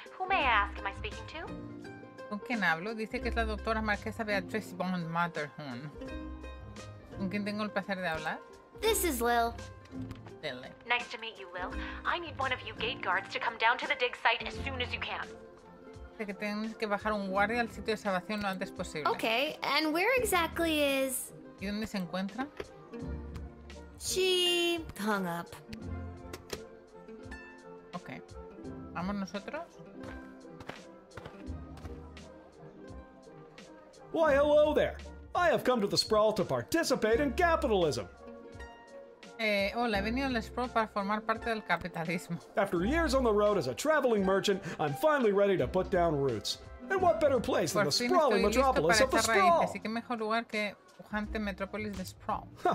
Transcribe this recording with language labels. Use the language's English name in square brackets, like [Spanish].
[English] Who may I ask am I speaking to? [Spanish] ¿Con quién hablo? Dice que es la doctora Marquesa Beatrix von Matterhorn. ¿Con quién tengo el placer de hablar? [English] This is Lil. Lily. Nice to meet you, Lil. I need one of you gate guards to come down to the dig site as soon as you can. [Spanish] Que tienes que bajar un guardia al sitio de excavación lo antes posible. [English] Okay, and where exactly is... [Spanish] ¿Y dónde se encuentra? [English] She hung up. [Spanish] Okay. ¿Vamos nosotros? [English] Why, hello there! I have come to the sprawl to participate in capitalism! [Spanish] Hola, he venido al Sprawl para formar parte del capitalismo. [English] After years on the road as a traveling merchant, I'm finally ready to put down roots. And what better place [Spanish] Por [English] than the sprawling metropolis of the Sprawl? [Spanish] Así que mejor lugar que pujante metrópolis de Sprawl.